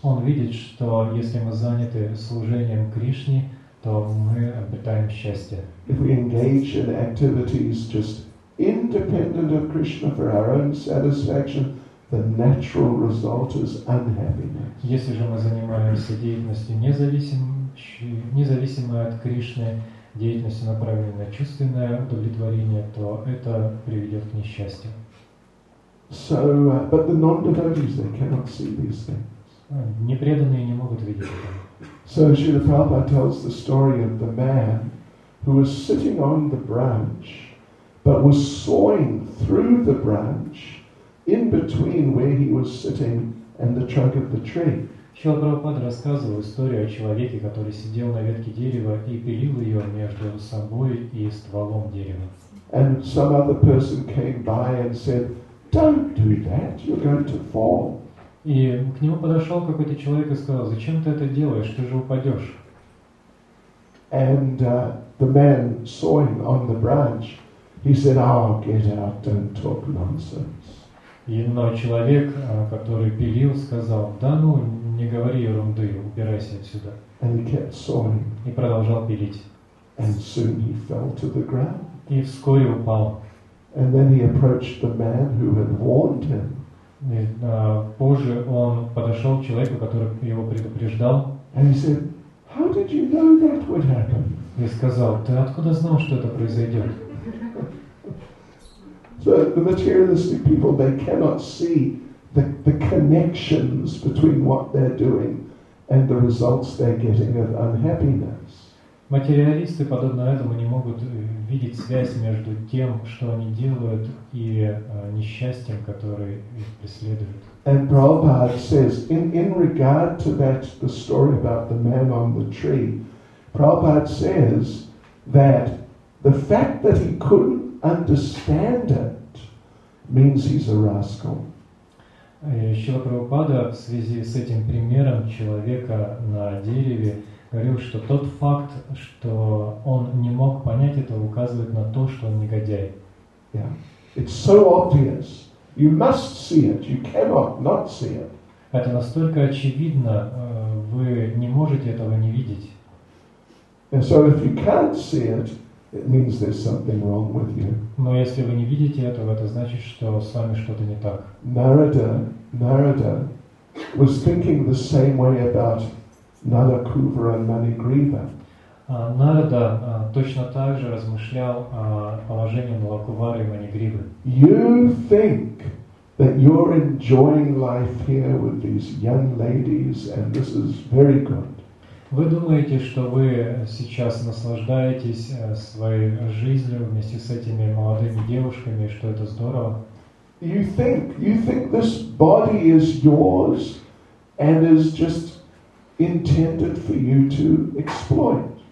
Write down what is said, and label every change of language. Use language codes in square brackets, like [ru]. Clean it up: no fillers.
[ru] Он видит, что если мы заняты служением Кришне, то мы обретаем счастье. [en] If we engage in activities just independent of Krishna for our own satisfaction, the natural result is unhappiness. [ru] Если же мы занимаемся деятельностью, независимой от Кришны, деятельностью, направленной на чувственное удовлетворение, то это приведет к несчастью. [en] So, but the non-devotees, they cannot see these things. [ru] Непреданные не могут видеть это. [en] So Srila Prabhupada tells the story of the man who was sitting on the branch, but was sawing through the branch in between where he was sitting and the trunk of the tree. [ru] Шрила Прабхупада рассказывал историю о человеке, который сидел на ветке дерева и пилил ее между собой и стволом дерева. [en] And some other person came by and said, "Don't do that, you're going to fall." [ru] И к нему подошел какой-то человек и сказал, "Зачем ты это делаешь? Ты же упадешь." [en] And the man sawing on the branch, he said, "Oh, get out, don't talk nonsense." [ru] Но человек, который пилил, сказал, "Да ну, не говори ерунды, убирайся отсюда." [en] And he kept sawing. [ru] И продолжал пилить. [en] And soon he fell to the ground. [ru] И вскоре упал. [en] And then he approached the man who had warned him. [ru] И позже он подошел к человеку, который его предупреждал. [en] And he said, "How did you know that would happen?" [ru] И сказал, "Ты откуда знал, что это произойдет?" [en] So the materialistic people, they cannot see the connections between what they're doing and the results they're getting of unhappiness. [ru] Материалисты, подобно этому, не могут видеть связь между тем, что они делают, и несчастьем, которое их преследует. [en] And Prabhupada says, in regard to that, the story about the man on the tree, Prabhupada says that the fact that he couldn't understand it means he's a rascal. [ru] Шрила Прабхупада в связи с этим примером человека на дереве говорил, что тот факт, что он не мог понять это, указывает на то, что он негодяй. [en] Yeah. It's so obvious. You must see it. You cannot not see it. [ru] Это настолько очевидно, вы не можете этого не видеть. Но если вы не видите этого, это значит, что с вами что-то не так. [en] Нарада was thinking the same way about Nalakuvra and Manigriva. [ru] Нарада точно так же размышлял о положении Налакувары и Манигривы. [en] You think that you're enjoying life here with these young ladies, and this is very good. [ru] Вы думаете, что вы сейчас наслаждаетесь своей жизнью вместе с этими молодыми девушками, что это здорово? [en] You think this body is yours and is just intended for you to exploit?